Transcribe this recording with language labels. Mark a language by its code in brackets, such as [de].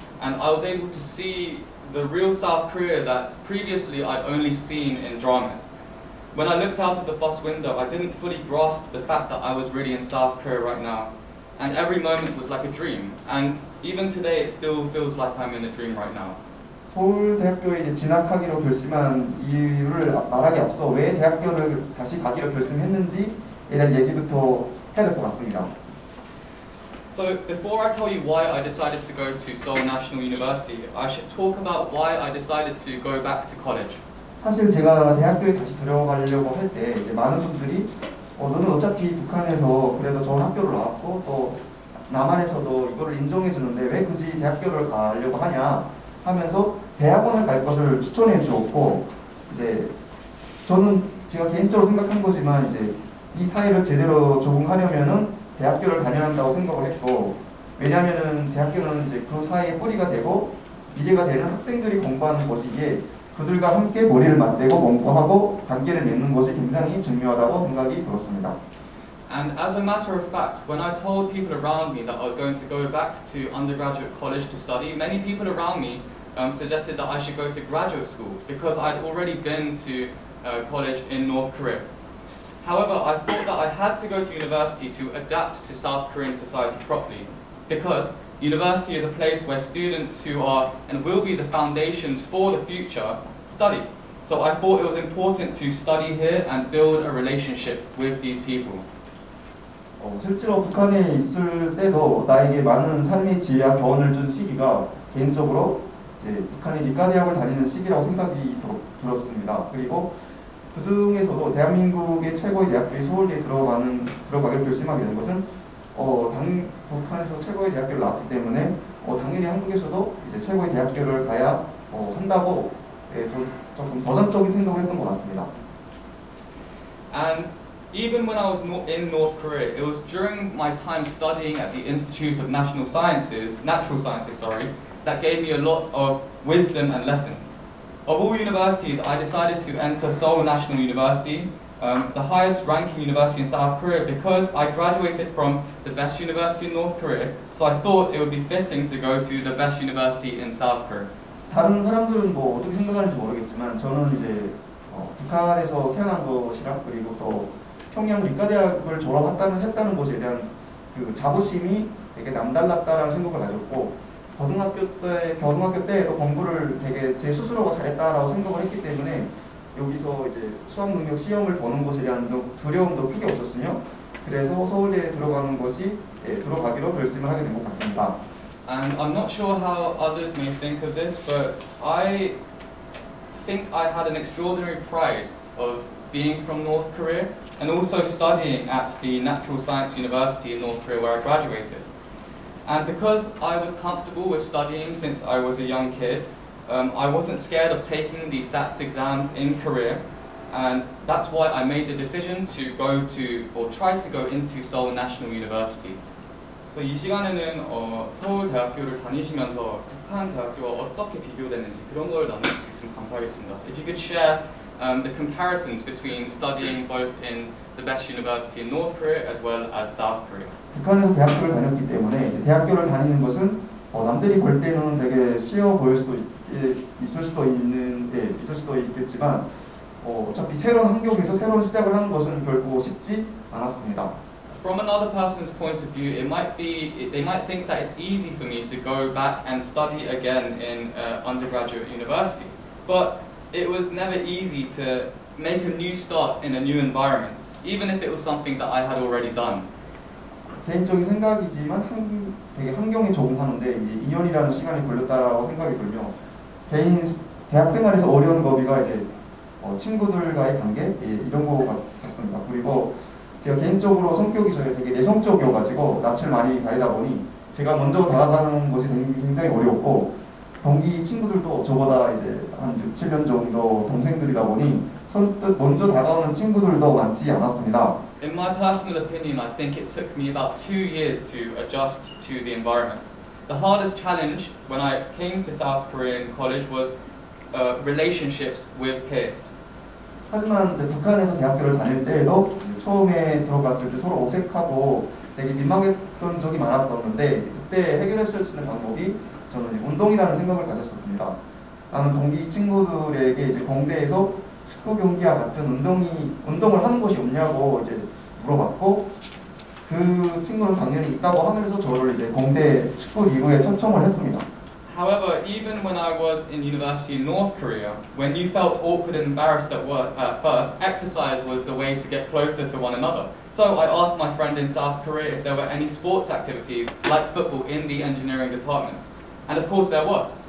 [en] And I was able to see the real South Korea that previously I'd only seen in dramas. When I looked out of the bus window, I didn't fully grasp the fact that I was really in South Korea right now. And every moment was like a dream. And even today, it still feels like I'm in a dream right now. [ko] 서울대학교에 진학하기로 결심한 이유를 말하기 앞서 왜 대학교를 다시 가기로 결심했는지 얘기부터 해야 될 것 같습니다. [en] So before I tell you why I decided to go to Seoul National University, I should talk about why I decided to go back to college. [ko] 사실 제가 대학교에 다시 들어가려고 할 때 이제 많은 분들이 너는 어차피 북한에서 그래도 좋은 학교를 나왔고 또 남한에서도 이거를 인정해 주는데 왜 굳이 대학교를 가려고 하냐 하면서 대학원을 갈 것을 추천해 주었고 이제 저는 제가 개인적으로 생각한 거지만 이제 이 사회를 제대로 적응하려면은 대학교를 다녀야 한다고 생각을 했고 왜냐하면은 대학교는 이제 그 사회의 뿌리가 되고 미래가 되는 학생들이 공부하는 곳이기에 그들과 함께 머리를 맞대고 공부하고 관계를 맺는 것이 굉장히 중요하다고 생각이 들었습니다. [en] And as a matter of fact, when I told people around me that I was going to go back to undergraduate college to study, many people around me suggested that I should go to graduate school because I'd already been to college in North Korea. However, I thought that I had to go to university to adapt to South Korean society properly, because university is a place where students who are and will be the foundations for the future study. So I thought it was important to study here and build a relationship with these people. [ko] 실제로 북한에 있을 때도 나에게 많은 삶의 지혜와 교훈을 준 시기가 개인적으로 북한의 리카대학을 다니는 시기라고 생각이 들었습니다. 그리고 그 중에서도 대한민국의 최고의 대학교인 서울대에 들어가기로 결심하게 된 것은 북한에서 최고의 대학교를 나왔기 때문에 당연히 한국에서도 이제 최고의 대학교를 가야 한다고 조금 도전적인 생각을 했던 것 같습니다. [en] And even when I was in North Korea, it was during my time studying at the Institute of Natural Sciences, that gave me a lot of wisdom and lessons. Of all universities, I decided to enter Seoul National University, the highest ranking university in South Korea, because I graduated from the best university in North Korea, so I thought it would be fitting to go to the best university in South Korea. [ko] 다른 사람들은 어떻게 생각하는지 모르겠지만, 저는 이제 북한에서 태어난 것이랑 그리고 또 평양 리카대학을 졸업했다는 것에 대한 그 자부심이 되게 남달랐다라는 생각을 가졌고, 고등학교 때도 공부를 되게 제 스스로가 잘했다라고 생각을 했기 때문에 여기서 이제 수학 능력 시험을 보는 것에 대한 두려움도 크게 없었으며 그래서 서울대에 들어가는 것이 들어가기로 결심을 하게 된 것 같습니다. [en] And I'm not sure how others may think of this, but I think I had an extraordinary pride of being from North Korea and also studying at the Natural Science University in North Korea where I graduated. And because I was comfortable with studying since I was a young kid, I wasn't scared of taking the SATs exams in Korea, and that's why I made the decision to go to, or try to go into Seoul National University. [ko] So 이 시간에는 서울 대학교를 다니시면서 북한 대학교와 어떻게 비교되는지 그런 걸 나눌 수 있으면 감사하겠습니다. [en] If you could share the comparisons between studying both in the best university in North Korea as well as South Korea. [ko] 북한에서 대학교를 다녔기 때문에 이제 대학교를 다니는 것은 남들이 볼 때는 되게 쉬워 보일 수도 있을 수도 있겠지만 어차피 새로운 환경에서 새로운 시작을 하는 것은 결코 쉽지 않았습니다. [en] from another person's point of view, they might think that it's easy for me to go back and study again in undergraduate university. But it was never easy to make a new start in a new environment, even if it was something that I had already done. [ko] 개인적인 생각이지만 되게 환경에 적응하는데 이제 2년이라는 시간이 걸렸다라고 생각이 들며 개인 대학 생활에서 어려운 거비가 이제 친구들과의 관계 이런 거 같습니다. 그리고 제가 개인적으로 성격이 저게 되게 내성적이어가지고 낯을 많이 가리다 보니 제가 먼저 다가가는 것이 굉장히 어려웠고 동기 친구들도 저보다 이제 한 6, 7년 정도 동생들이다 보니 선뜻 먼저 다가오는 친구들도 많지 않았습니다. [en] In my personal opinion, I think it took me about 2 years to adjust to the environment. The hardest challenge when I came to South Korean college was relationships with peers. [ko] 하지만 이제 북한에서 대학교를 다닐 때에도 처음에 들어갔을 때 서로 어색하고 되게 민망했던 적이 많았었는데 그때 해결했을 수 있는 방법이 저는 이제 운동이라는 생각을 가졌었습니다. 나는 동기 친구들에게 이제 공대에서 축구 경기와 같은 운동을 하는 것이 없냐고 이제 물어봤고 그 친구는 당연히 있다고 하면서 저를 이제 공대 축구 리그에 초청을 했습니다. [en] However, even when I was in university in North Korea, when you felt awkward and embarrassed at work at first, exercise was the way to get closer to one another. So I asked my friend in South Korea if there were any sports activities like football in the engineering department. And of course there was.